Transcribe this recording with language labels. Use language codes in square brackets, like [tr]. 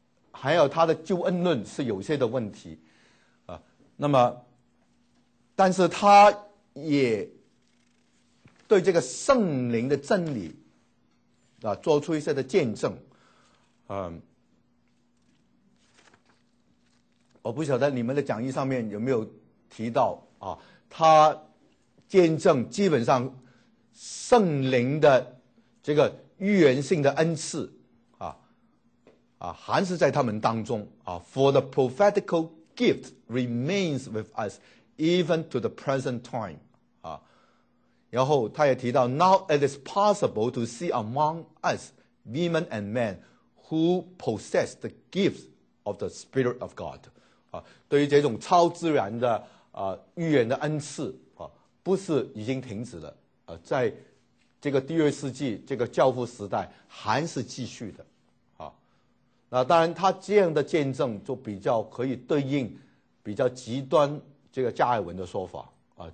[zh] 还有他的救恩论是有些的问题啊，那么但是他也对这个圣灵的真理啊做出一些的见证啊，我不晓得你们的讲义上面有没有提到啊？他见证基本上圣灵的这个预言性的恩赐啊啊，还是在他们当中啊。 [en] For the prophetical gift remains with us even to the present time 啊。 [zh] 然后他也提到 [en] ，Now it is possible to see among us women and men who possess the gifts of the Spirit of God。 [zh] 对于这种超自然的预言的恩赐啊，不是已经停止了啊，在这个第二世纪这个教父时代还是继续的啊。那当然，他这样的见证就比较可以对应比较极端这个加尔文的说法啊。